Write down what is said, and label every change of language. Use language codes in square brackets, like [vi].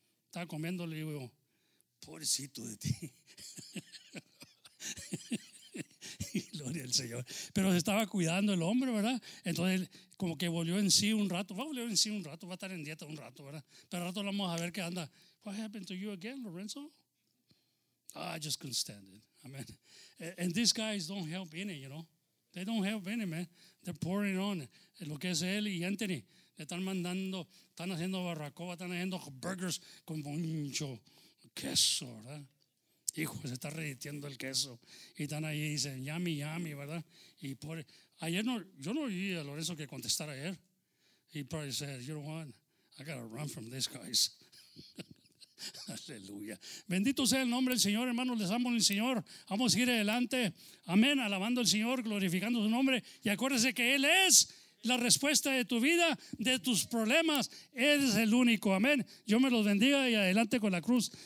[es] Estaba comiendo, le digo, pobrecito de ti. Gloria al Señor. Pero se estaba cuidando el hombre, ¿verdad? Entonces, como que volvió en sí un rato. Va a volver en sí un rato, va a estar en dieta un rato, ¿verdad? Pero al rato lo vamos a ver qué anda. [en] What happened to you again, Lorenzo? Oh, I just couldn't stand it. Amen. And these guys don't help any, you know? They don't help any, man. They're pouring on. [es] Lo que es él y Anthony. Le están mandando, están haciendo barracoa, están haciendo burgers con mucho queso, ¿verdad? Hijo, se está reditiendo el queso. Y están ahí y dicen, yami, yami, ¿verdad? Y por ayer no, yo no oí a Lorenzo que contestara ayer. [en] He probably said, you know what? I gotta run from these guys. [es] Aleluya. Bendito sea el nombre del Señor, hermanos. Les amo en el Señor. Vamos a seguir adelante. Amén. Alabando al Señor, glorificando su nombre. Y acuérdense que Él es la respuesta de tu vida, de tus problemas. Él es el único. Amén. Yo me los bendiga y adelante con la cruz.